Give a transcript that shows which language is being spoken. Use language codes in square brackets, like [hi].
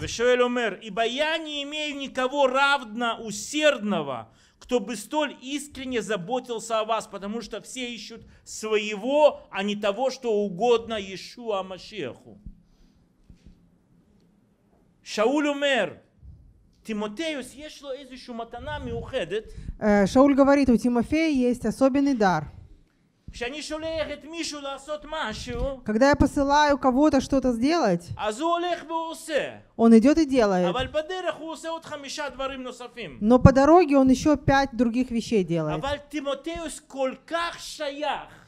[ru] Ибо я не имею никого равно усердного, кто бы столь искренне заботился о вас, потому что все ищут своего, а не того, что угодно Иешуа Машеху. Шауль умер. Тимотеус, есть ли [he] איזושהי מתנה מיוחדת? [ru] Шауль говорит, у Тимофея есть особенный дар. [he] כשאני שולח את מישהו לעשות משהו, [ru] когда я посылаю кого-то что-то сделать, [he] אז הוא הולך ועושה. [ru] Он идет и делает. [he] אבל בדרך הוא עושה עוד 5 דברים נוספים. [ru] Но по дороге он еще 5 других вещей делает. [he] אבל Тимотеус כל כך שייך.